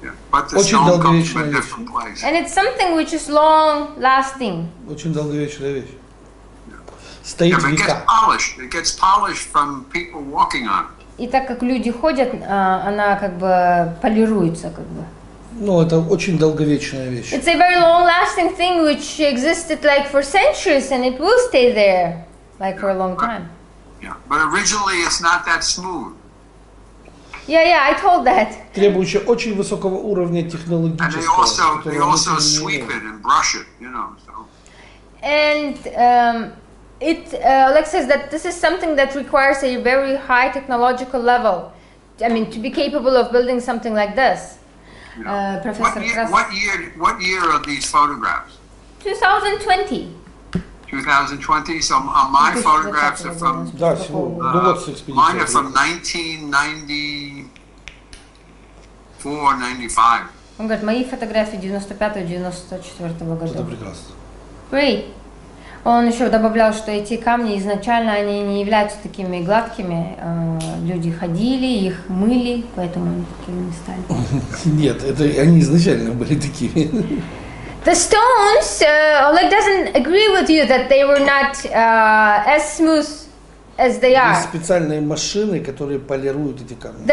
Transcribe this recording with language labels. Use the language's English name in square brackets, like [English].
[English] But the stone comes from a different place. And it's something which is long-lasting. [Russian] Очень долговечная вещь. стоит в веках. И так как люди ходят, она как бы полируется, как бы. Ну, это очень долговечная вещь. [English] It's a very long-lasting thing, which existed like for centuries, and it will stay there, like for a long time. Yeah, but originally it's not that smooth. Yeah, I told that. [Russian] Требующая очень высокого уровня технологического. [English] And they also sweep it and brush it, you know. And Alex says that this is something that requires a very high technological level. I mean, to be capable of building something like this. Professor Krass. What year are these photographs? 2020. So my photographs are from. [Russian] Да, сегодня. Ну вот с экспедиции. [English] Mine are from 1994-95. [Russian] Он говорит, мои фотографии 95-94 года. Это прекрасно. [English] Great. [Russian] Он еще добавлял, что эти камни изначально они не являются такими гладкими. Люди ходили, их мыли, поэтому они такими не стали. Нет, это они изначально были такими. [English] The stones, Oleg doesn't agree with you that they were not as smooth as they are. [Russian] Есть специальные машины, которые полируют эти камни.